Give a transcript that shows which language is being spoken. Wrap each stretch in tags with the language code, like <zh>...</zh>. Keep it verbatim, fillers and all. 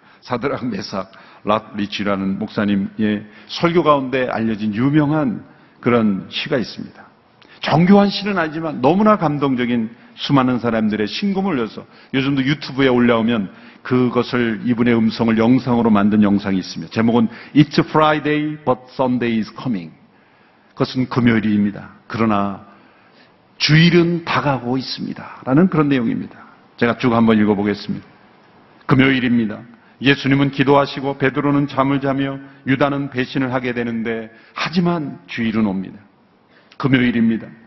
<ko>사드락 메삭, 락 리치라는 목사님의 설교 가운데 알려진 유명한 그런 시가 있습니다. 정교한 시는 아니지만 너무나 감동적인 수많은 사람들의 신금을 올려서 요즘도 유튜브에 올라오면 그것을, 이분의 음성을 영상으로 만든 영상이 있습니다. 제목은</ko> <en>It's Friday but Sunday is coming.</en> <ko>그것은 금요일입니다. 그러나 주일은 다가오고 있습니다. 라는 그런 내용입니다. 제가 쭉 한번 읽어보겠습니다. 금요일입니다. 예수님은 기도하시고 베드로는 잠을 자며 유다는 배신을 하게 되는데, 하지만 주일은 옵니다. 금요일입니다.</ko>